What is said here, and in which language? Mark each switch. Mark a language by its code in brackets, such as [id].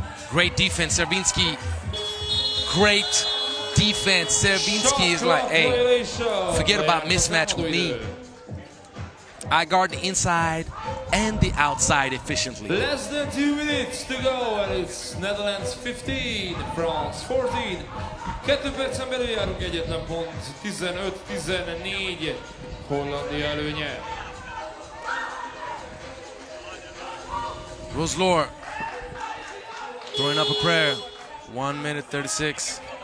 [en] Great defense, Servinsky. Great defense. Servinsky is like, hey, forget about mismatch with me. I guard the inside and the outside efficiently. Less than 2 minutes to go, and it's Netherlands 15, France 14. [hu] Kettő perc belül járunk egyetlen pont, 15-14, Hollandia előnye. [en] Roslor throwing up a prayer. 1 minute 36.